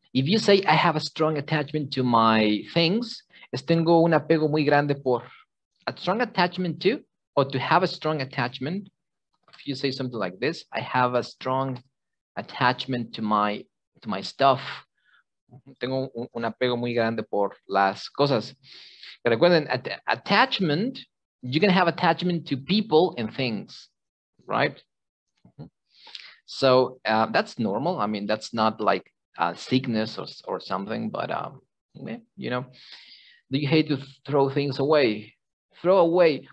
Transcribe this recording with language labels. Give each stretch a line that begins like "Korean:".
English: If you say I have a strong attachment to my things,
Spanish: tengo un apego muy grande por
English: a strong attachment to, or to have a strong attachment. If you say something like this, I have a strong attachment to my stuff.
Spanish: Tengo un apego muy grande por las cosas.
English: Recuerden, attachment, you can have attachment to people and things, right? So that's normal. I mean, that's not like a sickness or something, but you know, do you hate to throw things away? Throw away.